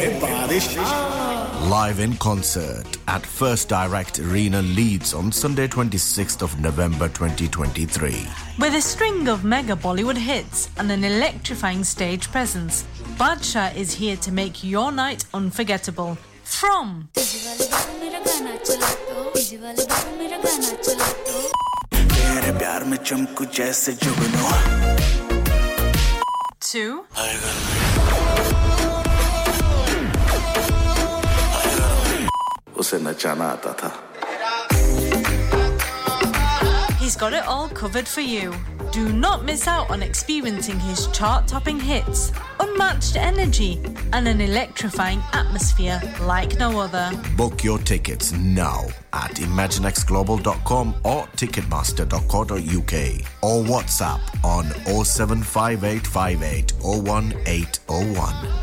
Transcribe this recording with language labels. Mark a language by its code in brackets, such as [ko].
[en] Live in concert at First Direct Arena Leeds on Sunday 26th of November 2023. With a string of mega Bollywood hits and an electrifying stage presence, Badshah is here to make your night unforgettable. From... [hi] मेरे प्यार में चमकू जैसे जुगनू to उसे नचाना आता था [en] He's got it all covered for you. Do not miss out on experiencing his chart-topping hits, unmatched energy, and an electrifying atmosphere like no other. Book your tickets now at imaginexglobal.com or ticketmaster.co.uk or WhatsApp on 07585801801.